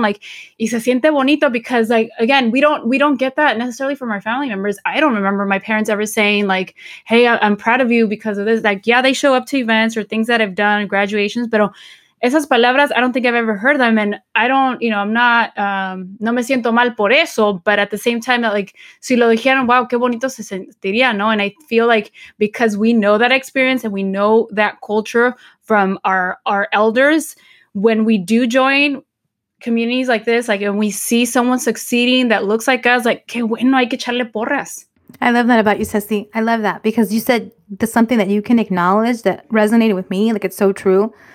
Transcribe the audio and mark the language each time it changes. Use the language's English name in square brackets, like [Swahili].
[English] Like, [Spanish] y se siente bonito [English] because like, again, we don't get that necessarily from our family members. I don't remember my parents ever saying like, hey, I'm proud of you because of this. Like, yeah, they show up to events or things that I've done, graduations, but [Spanish] esas palabras, [English] I don't think I've ever heard them. And I don't, you know, I'm not, [Spanish] no me siento mal por eso. [English] But at the same time, like, [Spanish] si lo dijeron, wow, qué bonito se sentiría, ¿no? [English] And I feel like because we know that experience and we know that culture from our elders, when we do join communities like this, like, and we see someone succeeding that looks like us, like, [Spanish] qué bueno, hay que echarle porras. [English] I love that about you, Ceci. I love that because you said something that you can acknowledge that resonated with me. Like, it's so true.